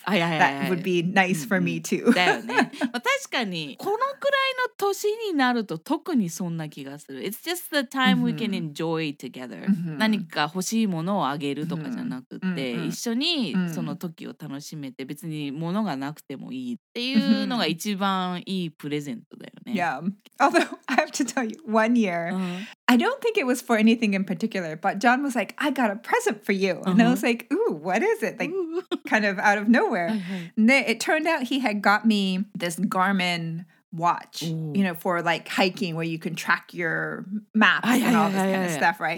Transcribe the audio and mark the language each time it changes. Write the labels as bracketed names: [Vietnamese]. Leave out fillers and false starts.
[English] that would be nice for me, too. [Japanese] だよね。まあ、確かに、このくらいの年になると特にそんな気がする。 [English] It's just the time we can enjoy together. [Japanese] 何か欲しいものをあげるとかじゃなくて、一緒にその時を楽しめて、別に物がなくてもいいっていうのが一番いいプレゼントだよね。 [English] Yeah. Although I have to tell you, one year, I don't think it was for anything in particular, but John was like, I got a present for you. And I was like, ooh, what is it? Like, kind of out of nowhere. And it turned out he had got me this Garmin watch, you know, for like hiking where you can track your map stuff, right?